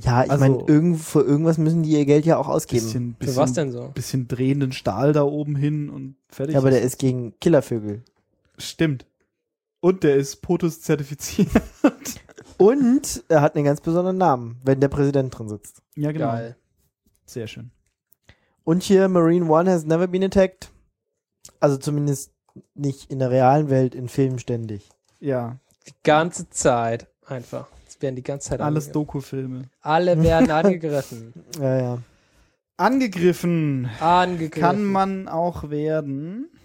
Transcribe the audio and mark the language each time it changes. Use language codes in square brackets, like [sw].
[de] Ja, ich also, meine, für irgendwas müssen die ihr Geld ja auch ausgeben. Bisschen, für was denn so? Bisschen drehenden Stahl da oben hin und fertig. Ja, aber der ist gegen Killervögel. Stimmt. Und der ist POTUS zertifiziert. Und er hat einen ganz besonderen Namen, wenn der Präsident drin sitzt. Ja, genau. Geil. Sehr schön. [en] Und hier, Marine One has never been attacked. [de] Also zumindest nicht in der realen Welt, in Filmen ständig. Ja. Die ganze Zeit einfach. Es werden die ganze Zeit alles angegriffen. Alles Doku-Filme. Alle werden angegriffen. Ja, ja. Angegriffen. Kann man auch werden.